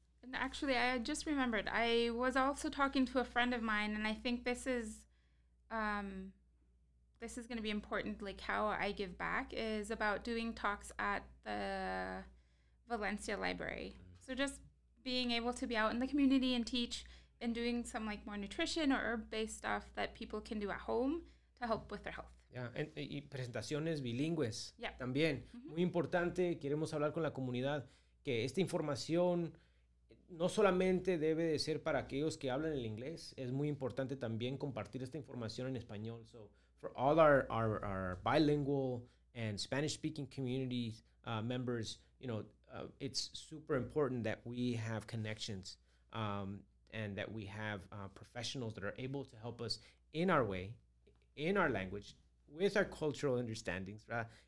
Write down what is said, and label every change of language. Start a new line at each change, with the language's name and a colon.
English: And actually, I just remembered, I was also talking to a friend of mine, and I think this is going to be important, like how I give back, is about doing talks at the Valencia Library. Mm-hmm. So just being able to be out in the community and teach and doing some like more nutrition or herb-based stuff that people can do at home to help with their health.
Spanish: Yeah, y presentaciones bilingües. Yeah. También. Mm-hmm. Muy importante, queremos hablar con la comunidad que esta información no solamente debe de ser para aquellos que hablan el inglés, es muy importante también compartir esta información en español.
English: So for all our bilingual and Spanish-speaking communities members, you know, it's super important that we have connections and that we have professionals that are able to help us in our way, in our language, with our cultural understandings. Right?